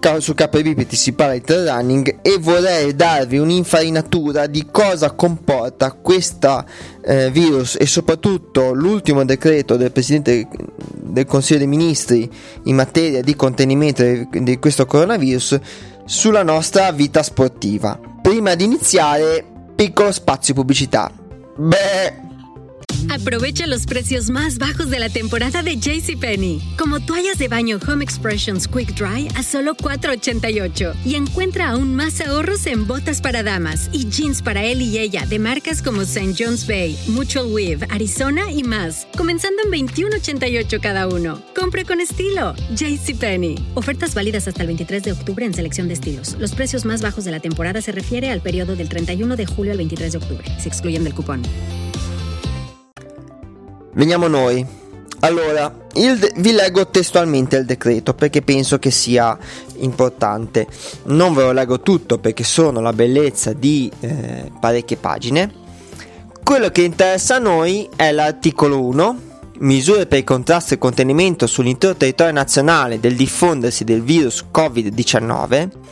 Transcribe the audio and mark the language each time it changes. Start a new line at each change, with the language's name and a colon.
Italian: Su KBPT si parla di trail running e vorrei darvi un'infarinatura di cosa comporta questa virus e soprattutto l'ultimo decreto del Presidente del Consiglio dei Ministri in materia di contenimento di questo coronavirus sulla nostra vita sportiva. Prima di iniziare, piccolo spazio pubblicità. Beh,
Spanish: aprovecha los precios más bajos de la temporada de JCPenney, como toallas de baño Home Expressions Quick Dry a solo $4.88. Y encuentra aún más ahorros en botas para damas y jeans para él y ella de marcas como St. John's Bay, Mutual Weave, Arizona y más, comenzando en $21.88 cada uno. Compre con estilo. JCPenney. Ofertas válidas hasta el 23 de octubre en selección de estilos. Los precios más bajos de la temporada se refiere al periodo del 31 de julio al 23 de octubre. Se excluyen del cupón.
Italian: Veniamo noi. Allora, vi leggo testualmente il decreto perché penso che sia importante. Non ve lo leggo tutto perché sono la bellezza di parecchie pagine. Quello che interessa a noi è l'articolo 1, misure per il contrasto e contenimento sull'intero territorio nazionale del diffondersi del virus Covid-19.